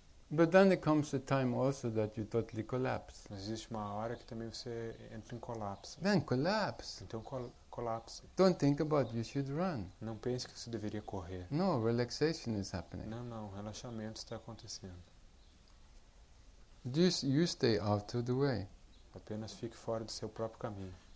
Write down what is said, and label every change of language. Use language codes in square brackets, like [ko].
[en] But then there comes a time also that you totally collapse. [pt] Mas existe uma hora que também você entra em colapso. [en] Then collapse. [pt] Então colapse. [en] Don't think about you should run. [pt] Não pense que você deveria correr. [en] No, relaxation is happening. [pt] Não, relaxamento está acontecendo. [en] Just you stay out of the way. [pt] Apenas fique fora do seu próprio caminho.